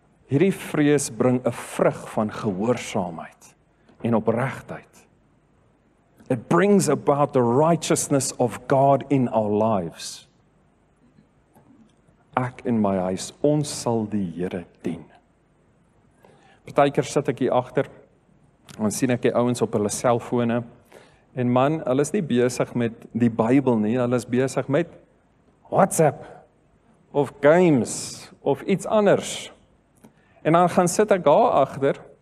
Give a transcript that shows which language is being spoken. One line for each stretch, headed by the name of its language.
Afrikaans: Hierdie vrees bring 'n vrug van gehoorsaamheid en opregtheid.
English: It brings about the righteousness of God in our lives.
Afrikaans: Ek in my huis, ons sal die Here dien. Partykeer sit ek hier agter en sien ek die ouens op hulle selfone en man, hulle is nie besig met die Bybel nie, hulle is besig met WhatsApp of games of iets anders. En dan gaan sit ek daar agter